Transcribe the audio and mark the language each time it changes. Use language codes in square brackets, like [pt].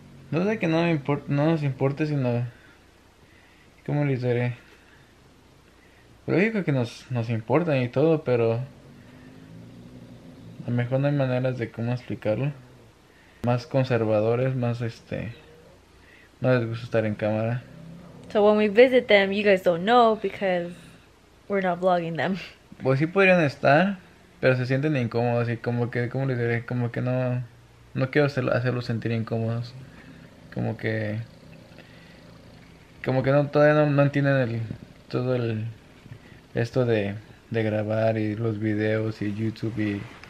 [es] No sé que no me importa, no nos importe, sino... ¿Cómo les diré? Lógico que nos importan y todo, pero... A lo mejor no hay maneras de cómo explicarlo. Más conservadores, más No les gusta estar en cámara. [en] So when we visit them, you guys don't know because we're not vlogging them. [es] Pues sí podrían estar, pero se sienten incómodos y como que, ¿cómo les diré? Como que no quiero hacerlos sentir incómodos. Como que no, todavía no entienden todo el esto de grabar y los videos y YouTube y...